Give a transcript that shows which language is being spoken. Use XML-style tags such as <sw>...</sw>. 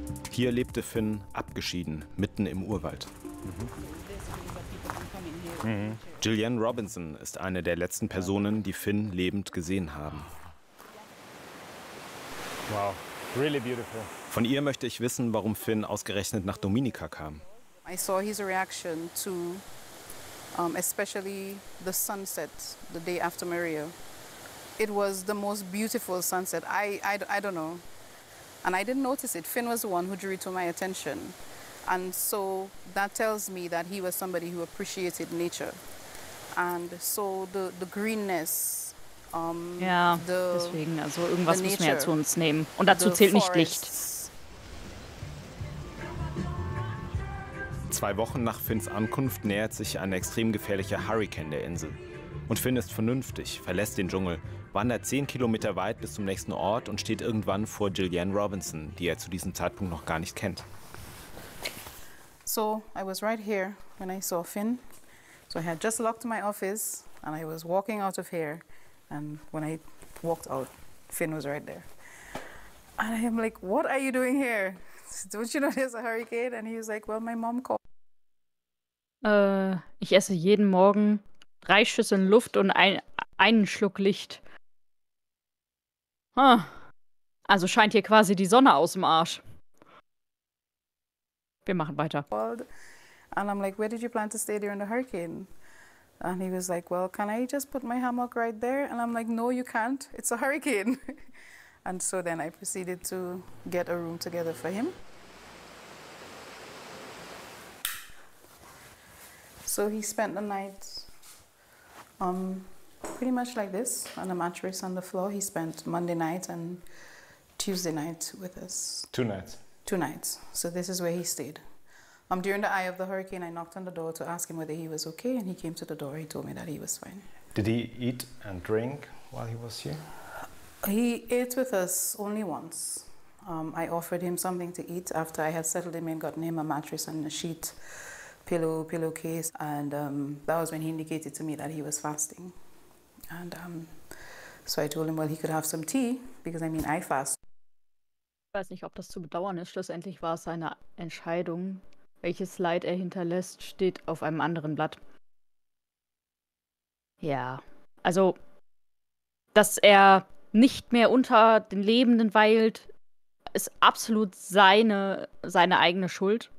<de>Hier lebte Finn abgeschieden, mitten im Urwald. Jillianne Robinson ist eine der letzten Personen, die Finn lebend gesehen haben.</de> <en>Wow, really beautiful.</en> <de>Von ihr möchte ich wissen, warum Finn ausgerechnet nach Dominica kam.</de> <en>I saw his reaction to especially the sunset the day after Maria. It was the most beautiful sunset. I don't know. And I didn't notice it. Finn was the one who drew it to my attention. And so that tells me that he was somebody who appreciated nature. And so the greenness,</en> <de>deswegen, also irgendwas müssen wir ja zu uns nehmen. Und dazu zählt nicht Licht. 2 Wochen nach Finns Ankunft nähert sich ein extrem gefährlicher Hurrikan der Insel. Und Finn ist vernünftig, verlässt den Dschungel, wandert 10 Kilometer weit bis zum nächsten Ort und steht irgendwann vor Jillianne Robinson, die er zu diesem Zeitpunkt noch gar nicht kennt.</de> <en>So, I was right here when I saw Finn. So I had just locked my office and I was walking out of here. And when I walked out, Finn was right there. And I am like, what are you doing here? Don't you know there's a hurricane? And he was like, well, my mom called.</en> <de>Ich esse jeden Morgen 3 Schüsseln Luft und einen Schluck Licht. Huh. Also scheint hier quasi die Sonne aus dem Arsch. Wir machen weiter.</de> <en>And I'm like, where did you plan to stay during the hurricane? And he was like, well, can I just put my hammock right there? And I'm like, no, you can't. It's a hurricane. And so then I proceeded to get a room together for him. So he spent the night pretty much like this, on a mattress on the floor. He spent Monday night and Tuesday night with us. Two nights. So this is where he stayed. During the eye of the hurricane, I knocked on the door to ask him whether he was okay, and he came to the door. He told me that he was fine. Did he eat and drink while he was here? He ate with us only once. I offered him something to eat after I had settled him in, gotten him a mattress and a sheet, pillowcase, and that was when he indicated to me that he was fasting. And so I told him, well, he could have some tea, because I mean, I fast.</en> <de>Ich weiß nicht, ob das zu bedauern ist. Schlussendlich war es seine Entscheidung. Welches Leid er hinterlässt, steht auf einem anderen Blatt. Ja, also, dass er nicht mehr unter den Lebenden weilt, ist absolut seine eigene Schuld.</de>